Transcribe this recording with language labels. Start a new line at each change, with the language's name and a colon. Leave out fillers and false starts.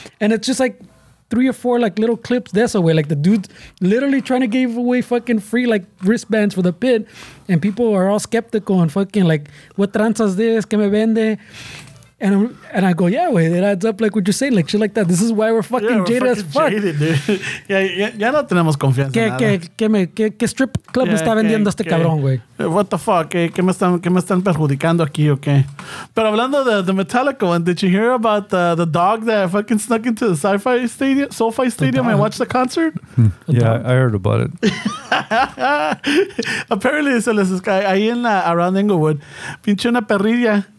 English: And it's just like three or four like little clips this away, like the dude literally trying to give away fucking free like wristbands for the pit, and people are all skeptical and fucking like, what tranzas this?
Spanish: Que me vende?
English: And I go, yeah, wait, it adds up like what you're saying, like shit like that. This is why we're fucking jaded as fuck. Jaded, dude.
Spanish: ya no tenemos confianza. ¿Qué strip club está vendiendo este cabrón, güey?
English: What the fuck?
Spanish: ¿Qué me están perjudicando aquí, okay? Pero hablando de
English: the Metallica one, did you hear about the dog that fucking snuck into the SoFi Stadium and watched the concert? Yeah, I heard about it.
Spanish: Apparently, se les escapó ahí en around Inglewood. Pinche una perrilla.